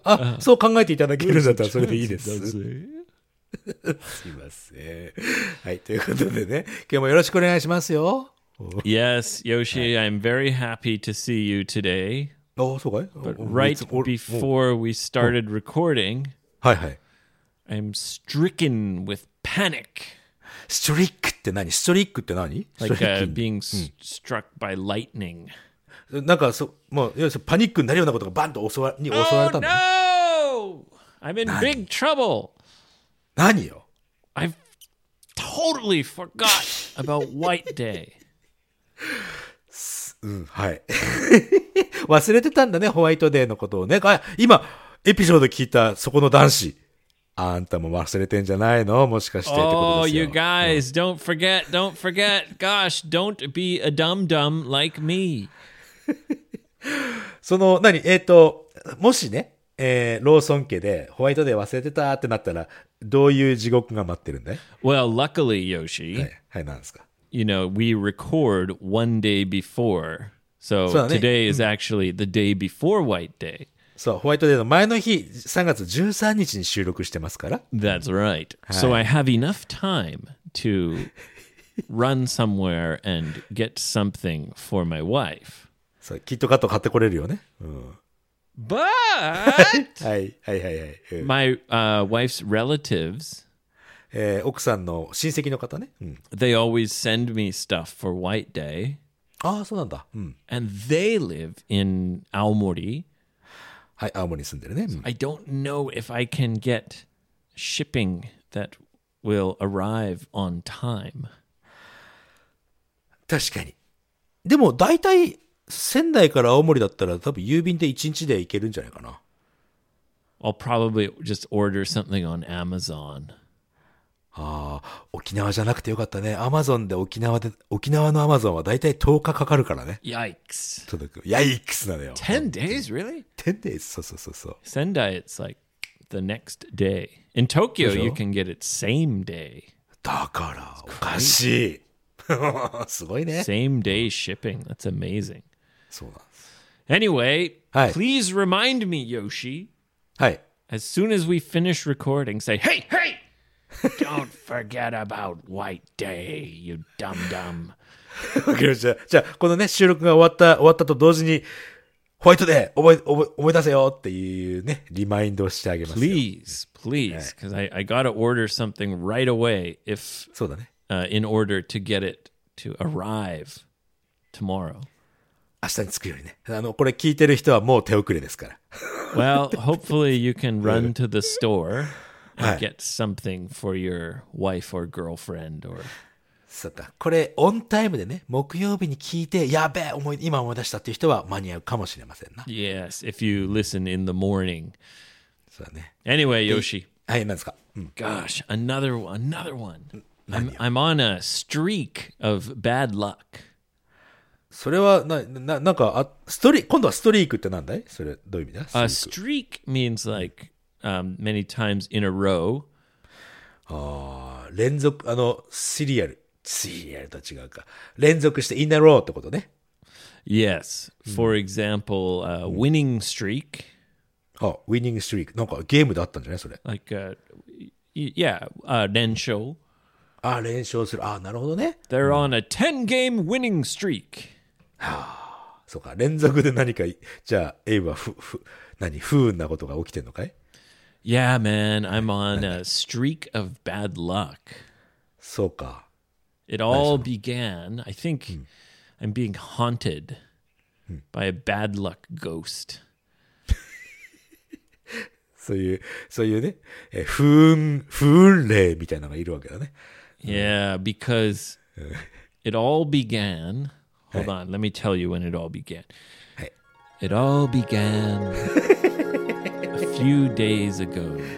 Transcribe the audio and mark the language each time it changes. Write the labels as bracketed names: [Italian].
[Japanese] あ、そう考えていただけるんだったらそれでいいです。すいません。はい、ということでね、今日もよろしくお願いしますよ。 [English] Yes, Yoshi, I'm very happy to see you today. Oh, so okay. But right before we started recording, I'm stricken with panic. [Japanese] Strick って何?Strick って何? [English] Like being struck by lightning. [Japanese] なんかそ、もう、要するにパニックになるようなことがバンと襲わ、に襲われたの。 [English] Oh, no! I'm in big trouble. [Japanese] 何よ? [English] I've totally forgot about White Day. [Japanese] はい。忘れてたんだね、ホワイトデーのことをね。あ、今、エピソード聞いた、そこの男子。あんたも忘れてんじゃないの?もしかしてってことですよ。 [English] Oh, you guys, don't forget, don't forget. Gosh, don't be a dum-dum like me. [Japanese] その、何? もしね、ローソン家でホワイトデー忘れてたってなったら、どういう地獄が待ってるんだい? [English] Well, luckily, Yoshi. [Japanese] はい、なんですか。 [English] You know, we record one day before. So、 [Japanese] ね、 [English] today is actually the day before White Day. [Japanese] そう、ホワイトデーの前の日、3月13日に収録してますから。 [English] That's right.、はい、so I have enough time to run somewhere and get something for my wife. [Japanese] そう、キットカット買ってこれるよね。うん、 [English] But! [Japanese] はい、はいはいはい。 [English] My、wife's relatives... [Japanese] 奥さんの親戚の方ね、うん、 [English] They always send me stuff for White Day. [Japanese] ああ、そうなんだ、うん、 [English] And they live in Aomori. [Japanese] はい、青森に住んでるね、うん、 [English] I don't know if I can get shipping that will arrive on time. [Japanese] 確かに。でも大体仙台から青森だったら多分郵便で1日で行けるんじゃないかな。 [English] I'll probably just order something on Amazon [Japanese] ああ、沖縄じゃなくてよかったね。アマゾンで沖縄で、沖縄のアマゾンはだいたい10日かかるからね。 [English] Yikes. [Japanese] 届く。Yikes なのよ。 [English] 10 days? Really? 10 days? [Japanese] そうそうそうそう。 [English] Sendai, it's like the next day. In Tokyo, you can get it same day. [Japanese] だから、おかしい。すごいね。 [English] Same day shipping. That's amazing. [Japanese] そうなんです。 [English] Anyway,、 [Japanese] はい、 [English] please remind me, Yoshi. [Japanese] はい。 [English] As soon as we finish recording, say, hey, hey! Don't forget about White Day, you dumb dumb. [Japanese] じゃあ、じゃあ、このね、収録が終わったと同時に、ホワイトデー、思い出せよっていうね、リマインドをしてあげますよ。 [English] Please, please, because、はい、I gotta order something right away if, [Japanese] そうだね。 [English] In order to get it to arrive tomorrow. [Japanese] 明日に着くようにね。あの、これ聞いてる人はもう手遅れですから。 [English] Well, hopefully you can run to the store. はい、get something for your wife or girlfriend or. [Japanese] そうか。これオンタイムでね、木曜日に聞いてやべえ思い今思い出したっていう人は間に合うかもしれませんな。 [English] Yes, if you listen in the morning. [Japanese] そうだね。 [English] Anyway, Yoshi. [Japanese] はい、なんですか。 [English] Gosh, another one. I'm on a streak of bad luck. [Japanese] それはなんかストリーク、今度はストリークってなんだい？それどういう意味だ？ [English] A streak means like many times in a row. [Japanese] あ、連続、あのシリアル、シリアルと違うか。連続して [English] in a row [Japanese] ってことね。 [English] Yes. For example, a winning streak. あ、winning streak。 [Japanese] なんかゲームだったんじゃない？それ。 [English] Like a, yeah, 連勝。 [Japanese] あ、連勝する。あ、なるほどね。 [English] They're on a 10-game winning streak. [Japanese] はあ、そうか。連続で何か、じゃあ、エイブは何、不運なことが起きてんのかい？ [English] Yeah, man. I'm on a streak of bad luck. [Japanese] そうか。 [English] It all began, I think...、うん、I'm being haunted by a bad luck ghost. [Japanese] そういうね、不運霊みたいなのがいるわけだね。 [English] Yeah, because it all began. Hold on, let me tell you when it all began. It all began a few days ago.